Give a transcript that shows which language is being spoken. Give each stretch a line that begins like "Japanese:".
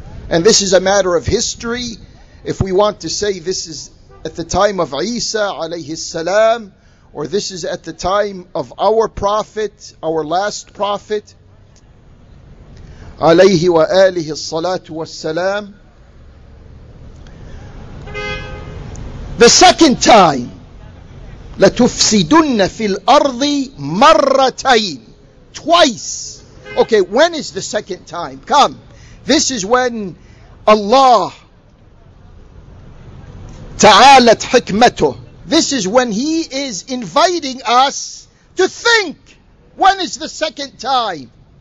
English: And this is a matter of history. If we want to say this is at the time of Isa alayhi salam, or this is at the time of our prophet, our last prophet, alayhi wa alihi salatu wa salam. The second time,
Arabic: لَتُفْسِدُنَّ فِي الْأَرْضِ مَرَّتَيْنِ.
English: Twice. Okay, when is the second time? Come. This is when Allah
Arabic: تعالت حكمته.
English: This is when He is inviting us to think. When is the second time?